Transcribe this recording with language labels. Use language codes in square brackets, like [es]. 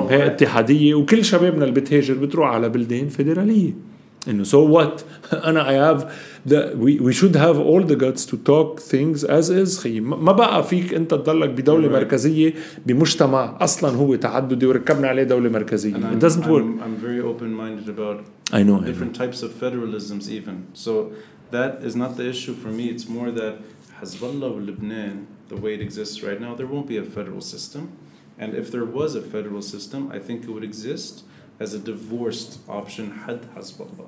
[ar] هاي اتحادية, وكل شبابنا اللي بتهاجر بتروح على بلدين فيدرالية. إنه [en] so what? [ar] أنا [en] I have we should have all the guts to talk things as is. [ar] ما بقى فيك أنت تضلك بدولة [en] right. [ar] مركزية بمجتمع أصلاً هو تعددي وركبنا عليه دولة مركزية. [en] It doesn't work. I'm very open-minded about different types of federalisms even. So that is not the issue for me. It's more that Hezbollah and Lebanon, the way it exists right now, there won't be a federal system. And if there was a federal system, I think it would exist as a divorced option had Hezbollah.